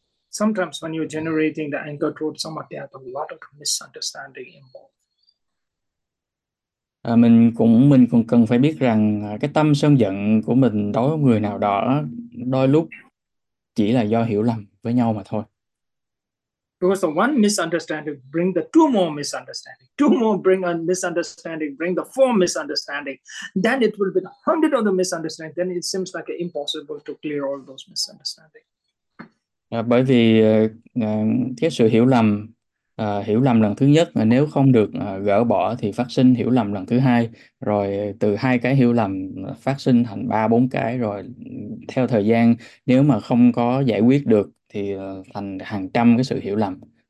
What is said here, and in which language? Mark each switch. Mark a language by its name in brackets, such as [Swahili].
[English] Sometimes when you're generating the anger towards someone, they have a lot of misunderstanding involved. [Vietnamese] Mình cũng cần phải biết rằng cái tâm sân giận của mình đối với người nào đó đôi lúc chỉ là do hiểu lầm với nhau mà thôi. [English] One misunderstanding bring the two more misunderstanding, two more bring a misunderstanding, bring the four misunderstanding, then it will be the hundred of the misunderstanding, then it seems like impossible to clear all those misunderstanding. [Vietnamese] Bởi vì cái sự hiểu lầm lần thứ nhất nếu không được gỡ bỏ thì phát sinh hiểu lầm lần thứ hai, rồi từ hai cái hiểu lầm phát sinh thành ba bốn cái, rồi theo thời gian nếu mà không có giải quyết được thì thành hàng trăm cái sự hiểu lầm.